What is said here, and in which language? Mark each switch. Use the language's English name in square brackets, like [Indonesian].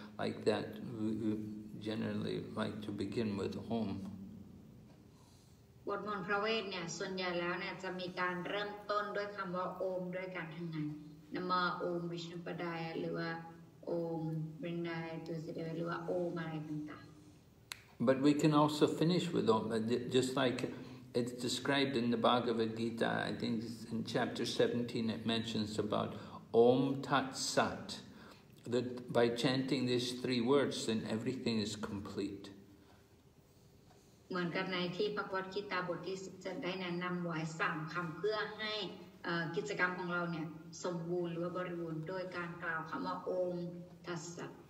[English] Like that, we generally like to begin with Om. [Thai] What mon pravet เนี่ยส่วนใหญ่แล้วเนี่ยจะมีการเริ่มต้นด้วยคำว่า Om ด้วยกันทั้งนั้น [Sanskrit] Nama Om Vishnu Padaya [Thai] หรือว่า [Sanskrit] Om Vrindaye Tosi Devai [Thai] หรือว่า Om อะไรต่าง [English] ๆ But we can also finish with Om, just like it's described in the Bhagavad Gita. I think in chapter 17 it mentions about Om Tat Sat. That by chanting these three words, then everything is complete. [Thai] เหมือนกับในที่พระกฏกิตาบทที่จะได้แนะนำไว้สามคำเพื่อให้กิจกรรมของเราเนี่ยสมบูรณ์หรือว่าบริบูรณ์โดยการกล่าวคำว่าOm Tassa.